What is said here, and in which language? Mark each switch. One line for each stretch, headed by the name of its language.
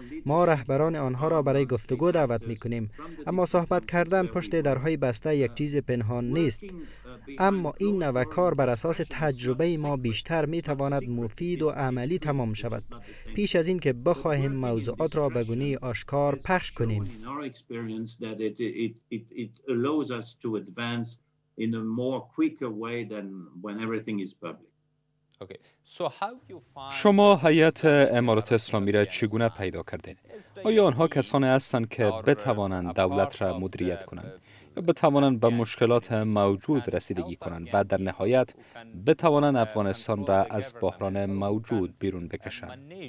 Persian: ما رهبران آنها را برای گفتگو دعوت می‌کنیم. اما صحبت کردن پشت درهای بسته یک چیز پنهان نیست. اما این نوع کار بر اساس تجربه ما بیشتر می‌تواند مفید و عملی تمام شود. پیش از این که بخواهیم موضوعات را به گونه آشکار پخش کنیم.
English: That it allows us to advance in a more quicker way than when everything is public. Okay. So how you find?
Persian: شما هیئت امارات اسلامی را چگونه پیدا کردین؟ آیا آنها کسانی هستند که بتوانند دولت را مدیریت کنند یا بتوانند به مشکلات موجود رسیدگی کنند و در نهایت بتوانند افغانستان را از بحران موجود بیرون بکشند؟